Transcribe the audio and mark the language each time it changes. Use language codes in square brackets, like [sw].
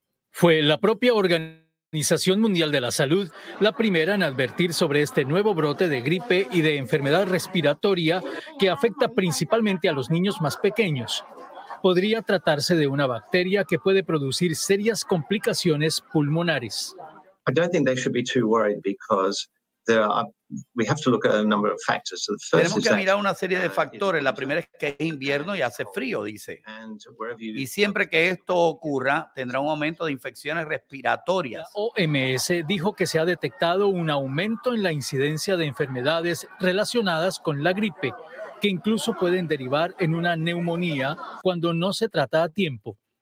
[es] Fue la propia Organización Mundial de la Salud la primera en advertir sobre este nuevo brote de gripe y de enfermedad respiratoria que afecta principalmente a los niños más pequeños. Podría tratarse de una bacteria que puede producir serias complicaciones pulmonares. [en] I don't think they should be too worried because we have to look at a number of factors. So the first [es] tenemos que mirar una serie de factores. La primera es que es invierno y hace frío, dice. Y siempre que esto ocurra, tendrá un aumento de infecciones respiratorias. La OMS dijo que se ha detectado un aumento en la incidencia de enfermedades relacionadas con la gripe, que incluso pueden derivar en una neumonía cuando no se trata a tiempo.